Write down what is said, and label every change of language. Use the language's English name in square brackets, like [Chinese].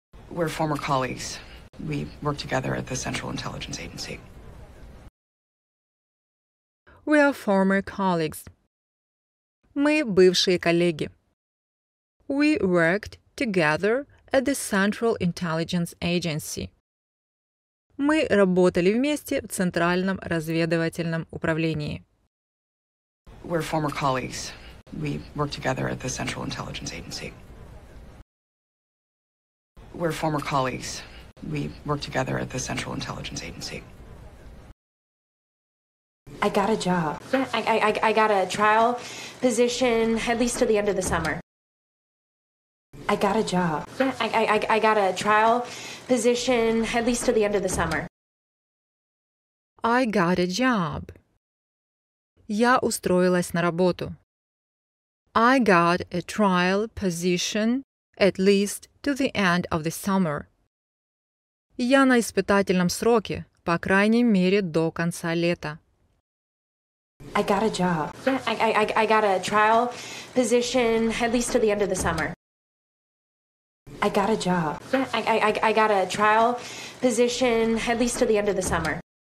[English] We're former colleagues. We work together at the Central Intelligence Agency. We are former colleagues. [Russian] Мы бывшие коллеги. [English] We worked together at the Central Intelligence Agency. [Russian] Мы работали вместе в Центральном разведывательном управлении. [English] We're former colleagues. We worked together at the Central Intelligence Agency. We're former colleagues. We worked together at the Central Intelligence Agency. I got a job. I got a trial position at least to the end of the summer. I got a job. I got a trial position at least to the end of the summer. I got a job. [Russian] Я устроилась на работу. [English] I got a trial position at least to the end of the summer. [Russian] Я на испытательном сроке, по крайней мере, до конца лета. [English] I got a job. I got a trial position at least to the end of the summer. I got a job. I got a trial position at least to the end of the summer.